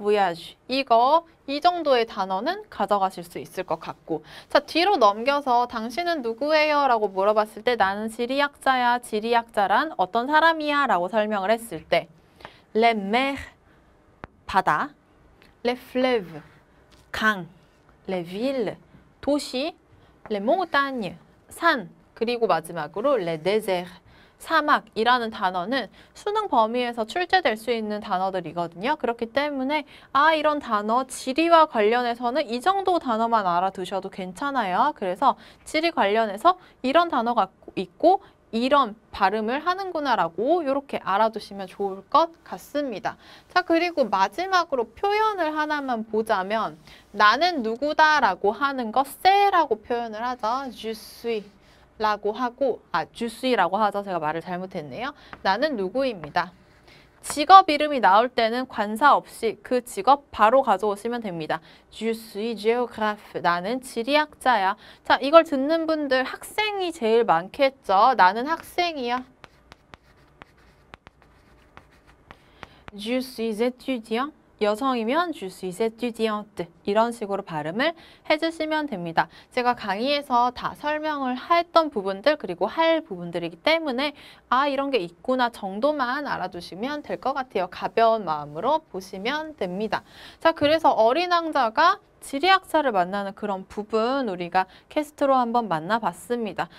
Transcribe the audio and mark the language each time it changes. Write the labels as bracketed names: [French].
[Korean] voyage 이거 이 정도의 단어는 가져가실 수 있을 것 같고 자 뒤로 넘겨서 당신은 누구예요? 라고 물어봤을 때 나는 지리학자야. 지리학자란 어떤 사람이야? 라고 설명을 했을 때 La mer, 바다. [French] Le fleuve, 강. Les villes, 도시. Les montagnes, 산. [Korean] 그리고 마지막으로 les déserts, 사막이라는 단어는 수능 범위에서 출제될 수 있는 단어들이거든요. 그렇기 때문에 아 이런 단어 지리와 관련해서는 이 정도 단어만 알아두셔도 괜찮아요. 그래서 지리 관련해서 이런 단어가 있고 이런 발음을 하는구나 라고 이렇게 알아두시면 좋을 것 같습니다. 자 그리고 마지막으로 표현을 하나만 보자면 나는 누구다 라고 하는 거 세라고 표현을 하죠. [French] Je suis [Korean] 라고 하고 아 Je suis 라고 하죠. 제가 말을 잘못했네요. 나는 누구입니다. 직업 이름이 나올 때는 관사 없이 그 직업 바로 가져오시면 됩니다. [French] Je suis géographe. [Korean] 나는 지리학자야. 자, 이걸 듣는 분들 학생이 제일 많겠죠? 나는 학생이야. [French] Je suis étudiant. 여성이면 Je suis étudiante. [Korean] 이런 식으로 발음을 해주시면 됩니다. 제가 강의에서 다 설명을 했던 부분들 그리고 할 부분들이기 때문에 아 이런 게 있구나 정도만 알아두시면 될 것 같아요. 가벼운 마음으로 보시면 됩니다. 자 그래서 어린 왕자가 지리학자를 만나는 그런 부분 우리가 캐스트로 한번 만나봤습니다.